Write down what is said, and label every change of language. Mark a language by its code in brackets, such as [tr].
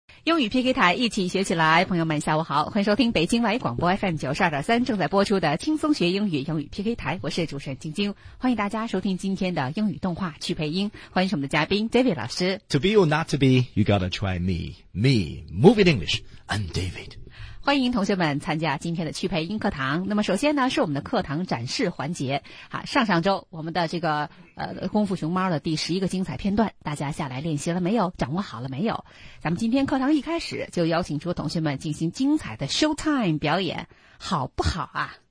[zh] 英语 PK 台，一起学起来。朋友们下午好，欢迎收听北京外语广播 FM92.3 正在播出的轻松学英语英语 PK 台，我是主持人晶晶，欢迎大家收听今天的英语动画去配音，欢迎我们的嘉宾 David 老师。 [en] To be or not to be, you gotta try me. Me, Moving English, I'm David. [zh] 欢迎同学们参加今天的去配音课堂。那么首先呢是我们的课堂展示环节。好，上上周我们的这个功夫熊猫的第11个精彩片段，大家下来练习了没有？掌握好了没有？咱们今天课堂一开始就邀请出同学们进行精彩的 showtime 表演，好不好啊？